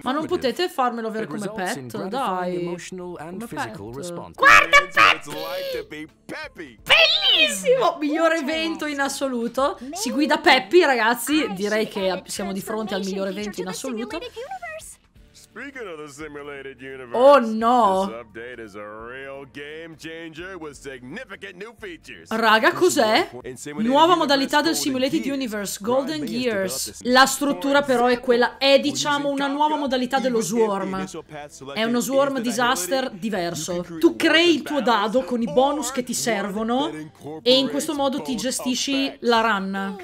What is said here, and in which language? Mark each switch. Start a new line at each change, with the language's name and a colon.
Italian: Ma non potete farmelo avere come pet? Dai. Come pet. Guarda Peppy! Bellissimo! Miglior evento in assoluto. Si guida Peppy, ragazzi. Direi che siamo di fronte al miglior evento in assoluto.
English: Speaking of the simulated universe, oh no! This update is a real game changer with significant new features.
Italian: Raga, cos'è? Nuova modalità del Simulated Universe, Golden Gears. La struttura però è quella, è diciamo una nuova modalità dello Swarm. È uno Swarm Disaster diverso. Tu crei il tuo dado con i bonus che ti servono e in questo modo ti gestisci la run.